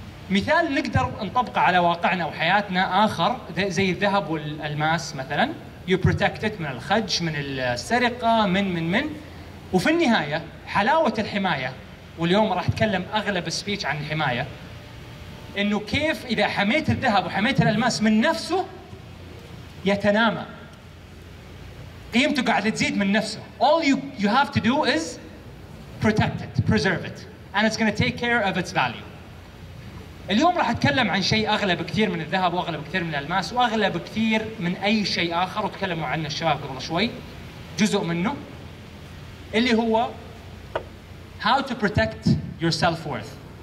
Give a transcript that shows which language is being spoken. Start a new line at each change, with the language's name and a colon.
Arabic: مثال نقدر نطبقه على واقعنا وحياتنا آخر زي الذهب والألماس مثلاً،
English: you protect it
Arabic: من الخدش، من السرقة، من من من. وفي النهاية حلاوة الحماية، واليوم راح أتكلم أغلب السبيتش عن الحماية، إنه كيف إذا حميت الذهب وحميت الألماس من نفسه يتنامى، قيمته قاعدة تزيد من نفسه.
English: All you have to do is protect it, preserve it, and it's going to take care of its value.
Arabic: اليوم راح أتكلم عن شيء أغلب كثير من الذهب وأغلب كثير من الألماس وأغلب كثير من أي شيء آخر، وتكلموا عنه الشباب قبل شوي جزء منه، اللي هو
English: how to protect your self-worth.